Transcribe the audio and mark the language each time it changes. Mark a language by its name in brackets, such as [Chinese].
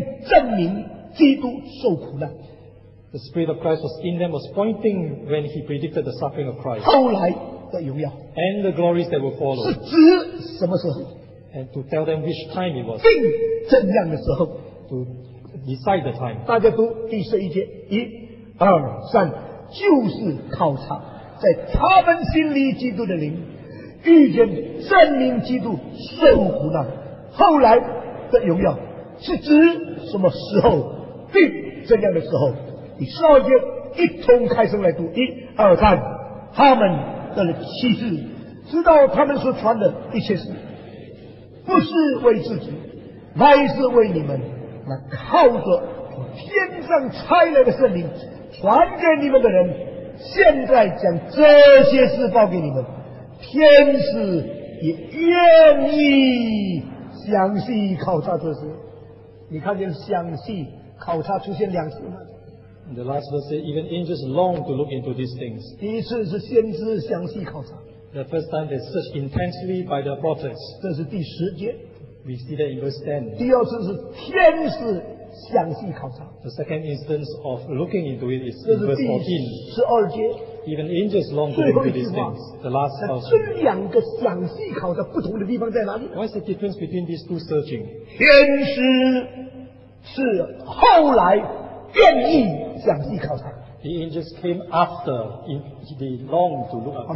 [Chinese] 好，现在接下去，预先证明基督受苦了。 [English] The Spirit of Christ was in them, was pointing when he predicted the suffering of Christ. [Chinese] 后来的荣耀, [English] and the glories that will follow. [Chinese] 是指什么时候, [English] and to tell them which time it was. [Chinese] 定正量的时候, [English] to decide the time. [Chinese] 大家读第十一节, 一、二、三, 就是考察在他们心里基督的灵, 预言证明基督受苦难, 后来的荣耀, 是指什么时候, 定正量的时候, 十二节一通开声来读，一二三，他们的启示，知道他们所传的一切事，不是为自己，乃是为你们那靠着天上差来的圣灵传给你们的人。现在将这些事报给你们，天使也愿意详细考察这些。你看见详细考察出现两次吗？ [English] The last verse says, even angels long to look into these things. [Chinese] 第一次是先知详细考察, [English] the first time they searched intensely by the prophets. [Chinese] 这是第十节, [English] we see that in verse 10. [Chinese] 第二次是天使详细考察, [English] the second instance of looking into it is in verse 14. [Chinese] 这是第十二节, [English] even angels long to look into these things. The last verse. What is the difference between these two searching? [Chinese] 天使是后来, 愿意详细考察。 [English] The angels came after they longed to look at the